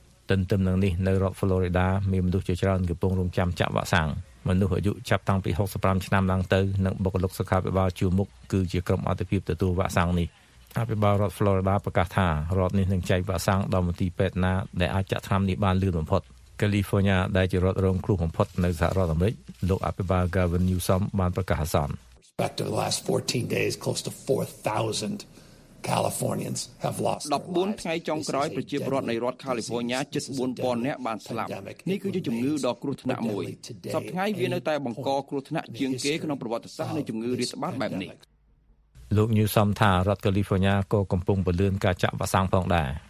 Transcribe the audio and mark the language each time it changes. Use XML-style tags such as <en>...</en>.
<km>ទន្ទឹមនឹងនេះនៅរដ្ឋ Florida មានមនុស្សជាច្រើនកំពុងរងចាំចាក់វ៉ាក់សាំងមនុស្សអាយុចាប់តាំងពី65ឆ្នាំឡើងទៅនិងបុគ្គលិកសុខាភិបាលជួរមុខគឺជាក្រុមអាទិភាពទទួលវ៉ាក់សាំងនេះអភិបាលរដ្ឋ Florida ប្រកាសថារដ្ឋនេះនឹងចែកវ៉ាក់សាំងដល់មន្ទីរពេទ្យណាដែលអាចចាក់ថ្នាំនេះបានលឿនបំផុត California ដែលជារដ្ឋរងគ្រោះបំផុតនៅសហរដ្ឋអាមេរិកលោកអភិបាល Gavin Newsom បានប្រកាសអាសន្ន</km> <en>Respect to the last 14 days close to 4000 Californians have lost</en> <km>14ថ្ងៃចុងក្រោយប្រជាពលរដ្ឋនៃរដ្ឋ California ជិត 4000 នាក់បានស្លាប់នេះគឺជាជំងឺដ៏គ្រោះថ្នាក់មួយសពថ្ងៃវានៅតែបង្កគ្រោះថ្នាក់ជាងគេក្នុងប្រវត្តិសាស្ត្រនៃជំងឺរាតត្បាតបែបនេះ លោក Newsom ថារដ្ឋ California ក៏កំពុងពលឿនការចាក់វ៉ាក់សាំងផងដែរ</km>